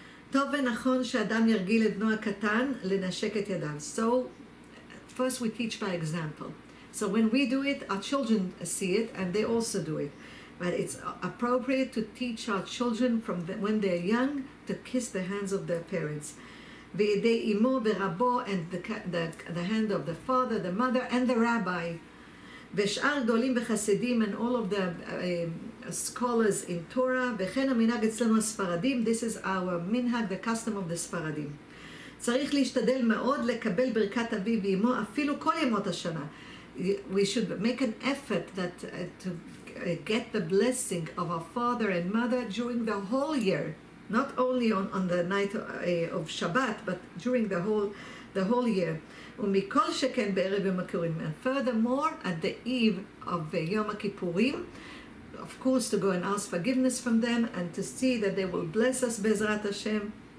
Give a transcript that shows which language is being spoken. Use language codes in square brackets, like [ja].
[he] טוב ונכון שאדם ירגיל את בנו הקטן לנשק את ידיו. [en] So first we teach by example. So when we do it, our children see it and they also do it. But it's appropriate to teach our children from when they're young to kiss the hands of their parents. [he] וידי אמו ורבו, [en] and the hand of the father, the mother, and the rabbi. [he] ושאר גדולים וחסידים, [en] and all of the scholars in Torah. [he] וכן המנהג אצלנו הספרדים. [en] This is our minhag, the custom of the ספרדים. [he] צריך להשתדל מאוד לקבל ברכת אבי ואמו אפילו כל ימות השנה. [en] We should make an effort that to get the blessing of our father and mother during the whole year, not only on the night of Shabbat, but during the whole year. [he] ומכל שכן בערב יום הכיפורים. [en] And furthermore, at the eve of Yom Kippurim, of course, to go and ask forgiveness from them and to see that they will bless us Bezrat Hashem.